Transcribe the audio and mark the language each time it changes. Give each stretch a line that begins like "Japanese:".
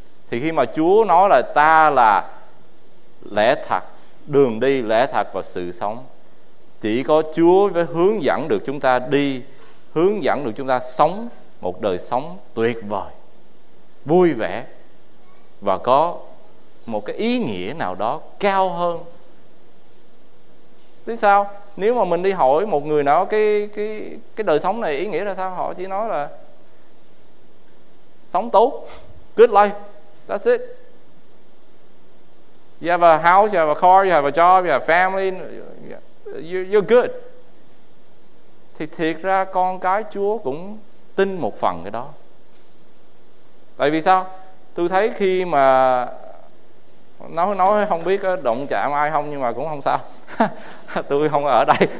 Vietnamese: Thì khi mà Chúa nói là ta là lẽ thật, đường đi, lẽ thật và sự sống, chỉ có Chúa mới hướng dẫn được chúng ta đi, hướng dẫn được chúng ta sống một đời sống tuyệt vời, vui vẻ và có một cái ý nghĩa nào đó cao hơn. Thế sao? Nếu mà mình đi hỏi một người nào cái đời sống này ý nghĩa là sao, họ chỉ nói là sống tốt,
English: good life, that's it. You have a house, you have a car, you have a job, you have family, you're good.
Vietnamese: Thì thiệt ra con cái Chúa cũng tin một phần cái đó. Tại vì sao? Tôi thấy khi mà nói không biết có động chạm ai không, nhưng mà cũng không sao. Tôi không ở đây.